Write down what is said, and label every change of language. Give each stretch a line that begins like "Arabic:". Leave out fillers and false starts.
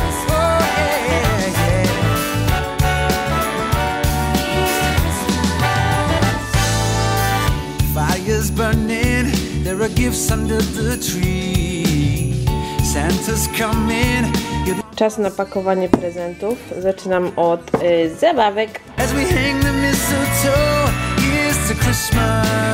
English: Oh, yeah, yeah. Here's to Christmas. Fire's burning, there are gifts under the tree. Santa's coming.
Polish: Czas na pakowanie prezentów. Zaczynam od zabawek.
English: As we hang the mistletoe, here's to Christmas.